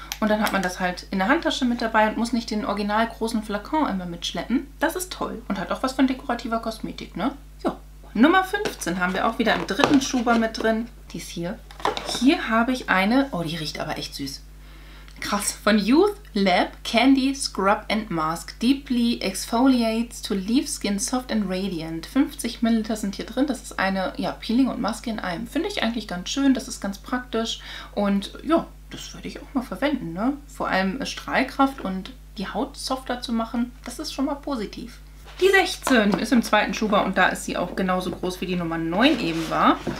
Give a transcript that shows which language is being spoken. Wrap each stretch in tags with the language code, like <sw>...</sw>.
<de>Und dann hat man das halt in der Handtasche mit dabei und muss nicht den original großen Flakon immer mitschleppen. Das ist toll und hat auch was von dekorativer Kosmetik, ne? Ja. Nummer 15 haben wir auch wieder im dritten Schuber mit drin. Die ist hier. Hier habe ich eine, oh, die riecht aber echt süß. Krass, von Youth Lab Candy Scrub and Mask.</de> <en>Deeply exfoliates to leave skin soft and radiant.</en> <de>50 ml sind hier drin. Das ist eine, ja, Peeling und Maske in einem. Finde ich eigentlich ganz schön. Das ist ganz praktisch. Und ja, das würde ich auch mal verwenden, ne? Vor allem Strahlkraft und die Haut softer zu machen, das ist schon mal positiv. Die 16 ist im zweiten Schuber und da ist sie auch genauso groß, wie die Nummer 9 eben war.</de>